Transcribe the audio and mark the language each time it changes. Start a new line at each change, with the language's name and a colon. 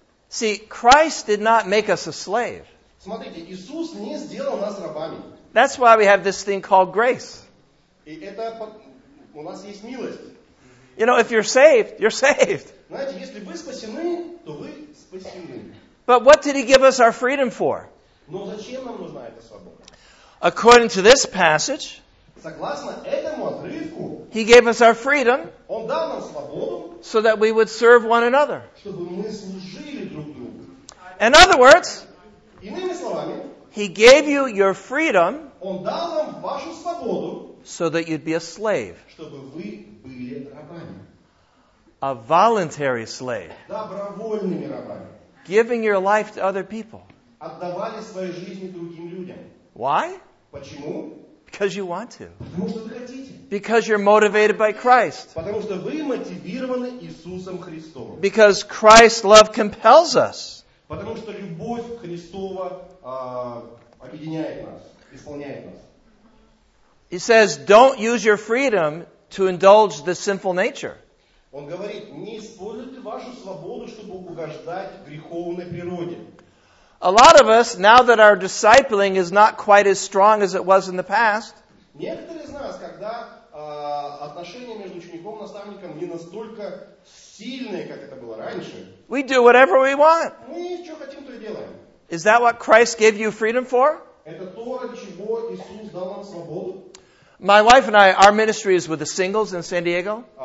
English: See, Christ did not make us a slave.
Russian: Смотрите, Иисус не сделал нас рабами.
English: That's why we have this thing called grace.
Russian: И это у нас есть милость.
English: You know, if you're saved, you're saved.
Russian: Знаете, если вы спасены, то вы спасены.
English: But what did he give us our freedom for?
Russian: Но зачем нам нужна эта свобода?
English: According to this passage,
Russian: согласно этому отрывку,
English: he gave us our freedom,
Russian: он дал нам свободу,
English: so that we would serve one another.
Russian: Чтобы мы служили друг другу.
English: In other words,
Russian: иными словами,
English: he gave you your freedom,
Russian: он дал вам вашу свободу,
English: so that you'd be a slave.
Russian: Чтобы вы были рабами.
English: A voluntary slave.
Russian: Добровольными рабами.
English: Giving your life to other people.
Russian: Отдавали свою жизнь другим людям.
English: Why?
Russian: Почему?
English: Because you want to.
Russian: Потому что вы хотите.
English: Because you're motivated by Christ.
Russian: Потому что вы мотивированы Иисусом Христом.
English: Because Christ's love compels us.
Russian: Потому что любовь Христова объединяет нас, исполняет нас.
English: He says, don't use your freedom to indulge the sinful nature.
Russian: Он говорит, не используйте вашу свободу, чтобы угождать греховной природе.
English: A lot of us, now that our discipling is not quite as strong as it was in the past,
Russian: некоторые из нас, когда отношения между учеником и наставником не настолько сильные, как это было раньше,
English: we do whatever we want.
Russian: Мы что хотим, то и делаем.
English: Is that what Christ gave you freedom for?
Russian: Это то, ради чего Иисус дал нам свободу.
English: My wife and I, our ministry is with the singles in San Diego.